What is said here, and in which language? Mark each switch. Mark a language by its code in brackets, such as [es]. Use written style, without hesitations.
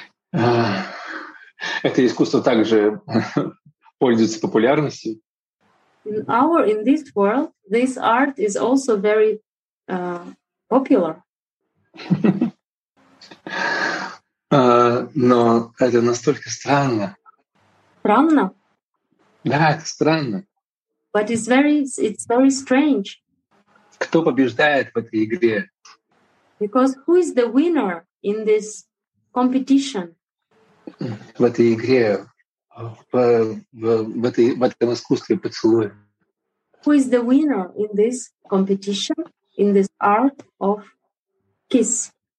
[ru] Это искусство также пользуется популярностью. [en] In this world, this art is also very popular. [ru] Но это настолько странно. Странно? Да, это странно. [en] But it's very strange. [ru] Кто побеждает в этой игре? [en] Because who is the winner in this competition? [ru] В этой игре, в этом искусстве поцелуя. [en] Who is the winner in this competition, in this art of kiss?